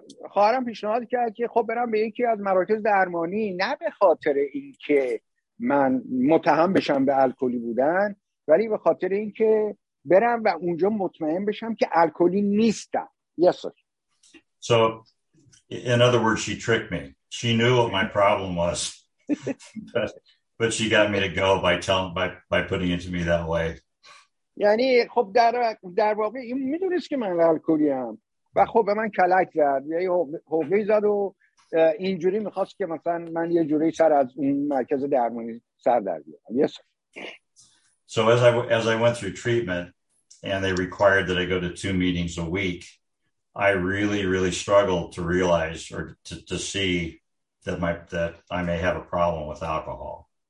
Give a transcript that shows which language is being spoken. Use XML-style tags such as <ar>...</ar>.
<fa>خواهرم پیشنهاد کرد که خب برم به یکی از مراکز درمانی، نه به خاطر اینکه من متهم بشم به الکلی بودن، ولی به خاطر اینکه برم و اونجا مطمئن بشم که الکلی نیستم.</fa> <en>Yes, sir. So in other words, she tricked me. She knew what my problem was, but she got me to go by putting it to me that way.</en> <fa>یعنی خب در واقع این میدونست که من الکلیم و خب به من کلک زد، یعنی حقه زد و اینجوری میخواست که مثلا من یه جوری سر از این مرکز درمانی سر در بیارم.</fa> <en>Yes. So as I went through treatment and they required that I go to 2 meetings a week, I really, really struggled to realize or to see that I may have a problem with alcohol.</en>